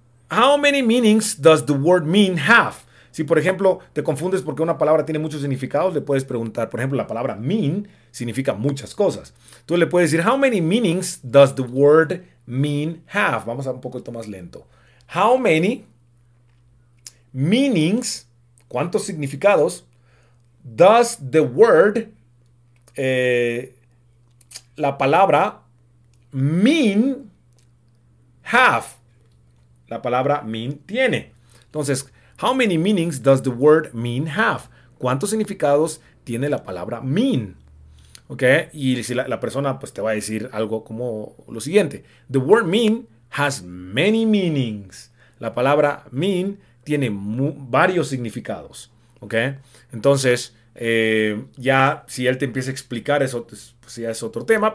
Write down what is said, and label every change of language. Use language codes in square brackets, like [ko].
[en] How many meanings does the word mean have? [es] Si, por ejemplo, te confundes porque una palabra tiene muchos significados, le puedes preguntar, por ejemplo, la palabra mean significa muchas cosas. Tú le puedes decir, [en] how many meanings does the word mean have? [es] Vamos a un poquito más lento. [en] How many meanings, [es] cuántos significados, [en] does the word, [es] la palabra [en] mean have, [es] la palabra mean tiene. Entonces, [en] how many meanings does the word mean have? [es] ¿Cuántos significados tiene la palabra mean? Ok, y si la persona pues te va a decir algo como lo siguiente. [en] The word mean has many meanings. [es] La palabra mean tiene varios significados. Ok, entonces ya si él te empieza a explicar eso, pues ya es otro tema.